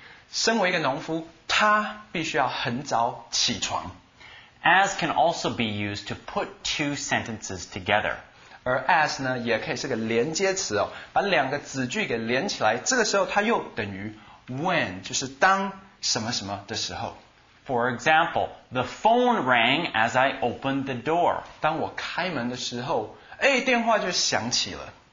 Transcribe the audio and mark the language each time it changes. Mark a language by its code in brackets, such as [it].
[zh] 身为一个农夫，他必须要很早起床。 [en] As can also be used to put two sentences together. [zh] 而 as 呢也可以是个连接词哦，把两个子句给连起来，这个时候它又等于 when, 就是当什么什么的时候。 [en] For example, the phone rang as I opened the door. [zh] 当我开门的时候，哎，电话就响起了。